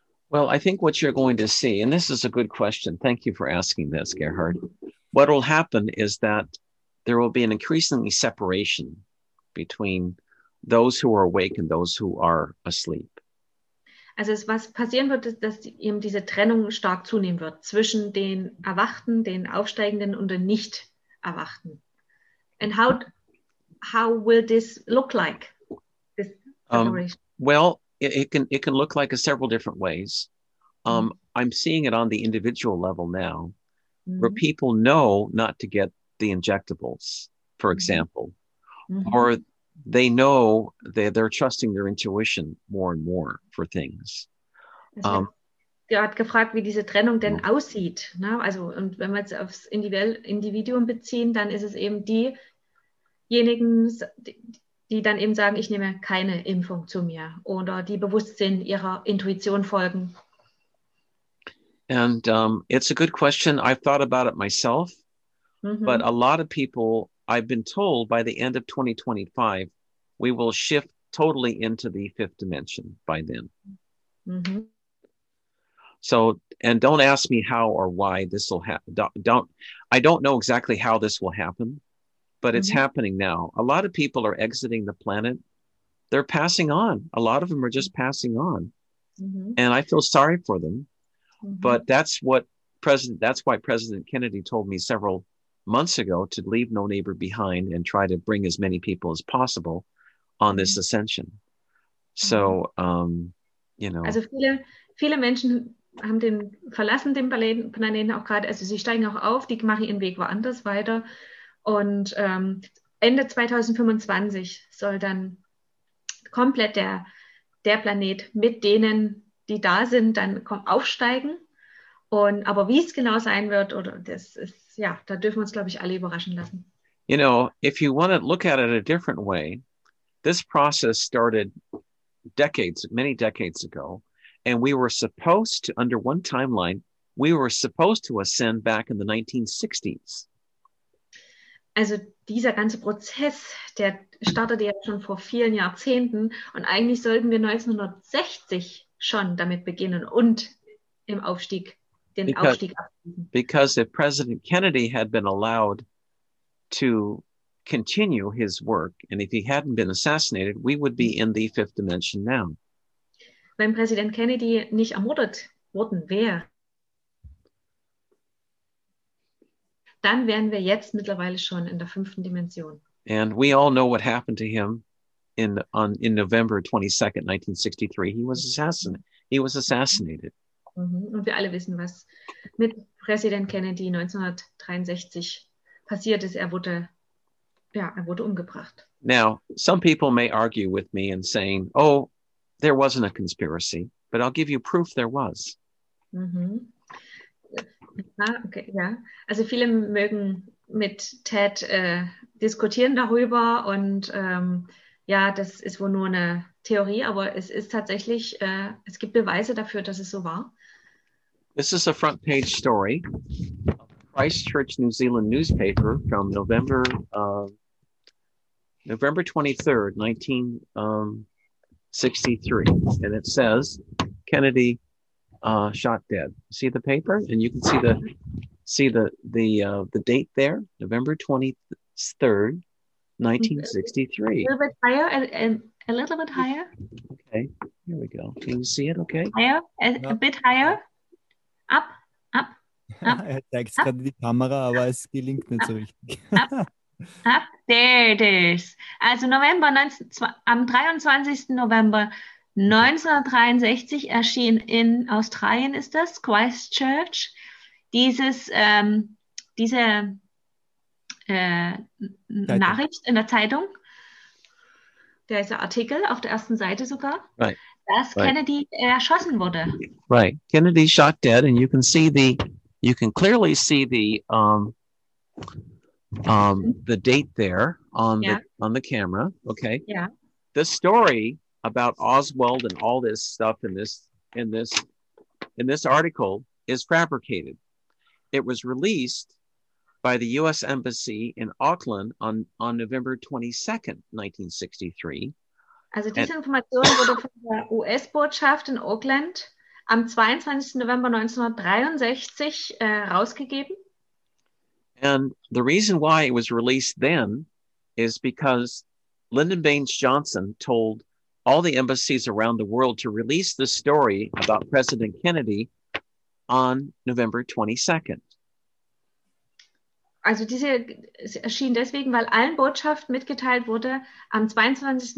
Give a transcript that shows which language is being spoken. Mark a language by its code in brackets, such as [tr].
[en] Well, I think what you're going to see, and this is a good question. Thank you for asking this, Gerhard. What will happen is that there will be an increasingly separation between those who are awake and those who are asleep. [de] Also was passieren wird, ist, dass eben diese Trennung stark zunehmen wird zwischen den Erwachten, den Aufsteigenden und den Nicht-Erwachten. [en] And how will this look like, this separation? It can look like a several different ways. I'm seeing it on the individual level now, mm-hmm. where people know not to get the injectables, for example, mm-hmm. or they know that they're trusting their intuition more and more for things. [de] hat gefragt, wie diese Trennung denn aussieht. Ne? Also, und wenn wir jetzt aufs Individuum beziehen, dann ist es eben diejenigen, die dann eben sagen, ich nehme keine Impfung zu mir oder die bewusst sind, ihrer Intuition folgen. [en] And it's a good question. I've thought about it myself, but a lot of people, I've been told by the end of 2025, we will shift totally into the fifth dimension by then. So, and don't ask me how or why this will happen. I don't know exactly how this will happen, but it's happening now. A lot of people are exiting the planet. They're passing on. A lot of them are just passing on. And I feel sorry for them. But that's why President Kennedy told me several months ago to leave no neighbor behind and try to bring as many people as possible on this ascension. So, you know. [de] Also viele Menschen haben verlassen den Planeten auch gerade. Also sie steigen auch auf, die machen ihren Weg woanders weiter. Und Ende 2025 soll dann komplett der Planet mit denen, die da sind, dann aufsteigen. Und aber wie es genau sein wird, oder das ist, ja, da dürfen wir uns, glaube ich, alle überraschen lassen. [en] You know, if you want to look at it a different way, this process started many decades ago, and we were supposed to, under one timeline, we were supposed to ascend back in the 1960s. [de] Also dieser ganze Prozess, der startete ja schon vor vielen Jahrzehnten, und eigentlich sollten wir 1960 schon damit beginnen und im Aufstieg, den Aufstieg abschließen. [en] Because if President Kennedy had been allowed to continue his work, and if he hadn't been assassinated, we would be in the fifth dimension now. [de] Wenn Präsident Kennedy nicht ermordet worden wäre, dann wären wir jetzt mittlerweile schon in der fünften Dimension. [en] And we all know what happened to him in November 22nd, 1963. He was assassinated. [de] Und wir alle wissen, was mit Präsident Kennedy 1963 passiert ist. Er wurde umgebracht. [en] Now, some people may argue with me and saying, oh, there wasn't a conspiracy, but I'll give you proof there was. [de] Okay, ja. Also viele mögen mit Ted diskutieren darüber, und ja, das ist wohl nur eine Theorie, aber es ist tatsächlich, es gibt Beweise dafür, dass es so war. [en] This is a front page story of the Christchurch, New Zealand newspaper from November 23rd, 1963. And it says, Kennedy shot dead. See the paper? And you can see the date there, November 23rd, 1963. A little bit higher. Okay, here we go. Can you see it okay? A bit higher. Up. [de] Er zeigt es gerade in die Kamera, aber es gelingt nicht so richtig. [en] There it is. [de] Also am 23. November 1963 erschien in Australien, ist das, Christchurch, diese Nachricht in der Zeitung, der ist der Artikel auf der ersten Seite sogar, dass Kennedy erschossen wurde. [en] Right. Kennedy shot dead, and you can see the date there on the camera. Okay. Yeah. The story about Oswald and all this stuff in this article is fabricated. It was released by the U.S. Embassy in Auckland on November 22nd, 1963. [de] Also diese Information wurde von der US-Botschaft in Auckland am 22. November 1963 rausgegeben. [en] And the reason why it was released then is because Lyndon Baines Johnson told all the embassies around the world to release the story about President Kennedy on November 22nd. [de] Also es erschien deswegen, weil allen Botschaften mitgeteilt wurde, am 22.